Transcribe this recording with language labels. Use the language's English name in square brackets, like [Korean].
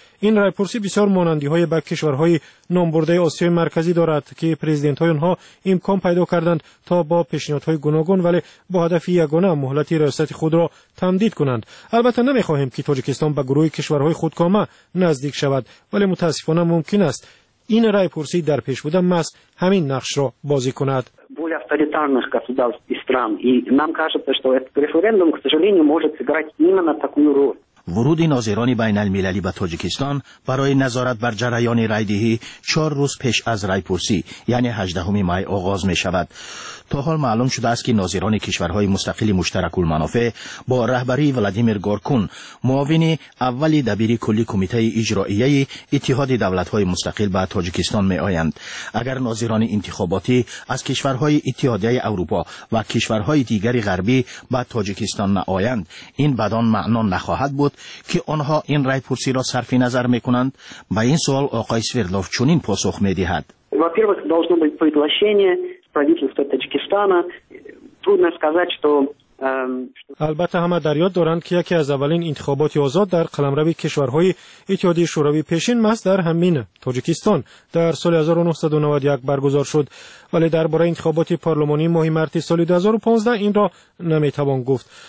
[Persian] این رای پرسی بسیار مانندی های به کشورهای نامبرده آسیای مرکزی دارد که پرزیدنت های آنها امکان پیدا کردند تا با پیشنهادهای گوناگون ولی با هدف یگانه مهلت ریاست خود را تمدید کنند. البته نمی خواهیم که تاجیکستان به گروه کشورهای خودکامه نزدیک شود، ولی متاسفانه ممکن است این رای پرسی در پیش بوده مس همین نقش را بازی کند. [Russian] авторитарных государств и стран. И нам кажется, что этот референдум, к сожалению, может сыграть именно такую роль. [Persian] ورود ناظران بین المللی به تاجیکستان برای نظارت بر جریان رای دهی 4 روز پیش از رای پرسی یعنی 18 می آغاز می شود. تا حال معلوم شده است که ناظران کشورهای مستقل مشترک المنافع با رهبری ولادیمیر گورکون، معاون اول دبیر کلی کمیته اجرایی اتحاد دولت های مستقل به تاجیکستان می آیند. اگر ناظران انتخاباتی از کشورهای اتحادیه اروپا و کشورهای دیگر غربی به تاجیکستان نآیند، این بدان معنا نخواهد بود که آنها این رای پرسی را صرف نظر می کنند. به این سوال آقای سویردلوف چنین پاسخ می دهد. [Russian] во-первых, должно быть приглашение правительства Таджикистана. Трудно сказать, что [Persian] البته همه در یاد دارند که یکی از اولین انتخابات آزاد در قلمرو کشورهای اتحادیه شوروی پیشین ماست در همین تاجیکستان در سال 1991 برگزار شد، ولی درباره انتخابات پارلمانی ماه مارس سال 2015 این را نمیتوان گفت.